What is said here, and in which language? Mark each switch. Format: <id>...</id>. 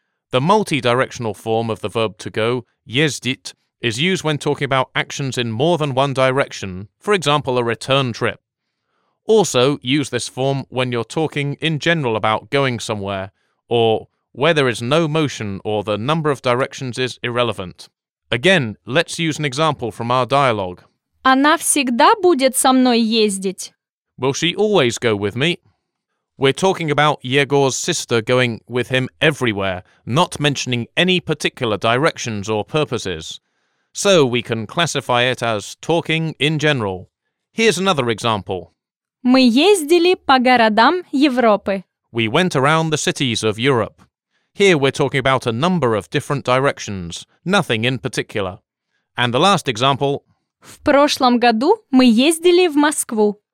<en>The multi-directional form of the verb to go, ездить, is used when talking about actions in more than one direction, for example, a return trip. Also, use this form when you're talking in general about going somewhere, or where there is no motion or the number of directions is irrelevant. Again, let's use an example from our dialogue.</en> <ru>Она всегда будет со мной ездить.</ru> <en>Will she always go with me? We're talking about Yegor's sister going with him everywhere, not mentioning any particular directions or purposes. So we can classify it as talking in general. Here's another example.</en> <ru>Мы ездили по городам Европы.</ru> <en>We went around the cities of Europe. Here we're talking about a number of different directions, nothing in particular. And the last example.</en> <ru>В прошлом году мы ездили в Москву.</ru>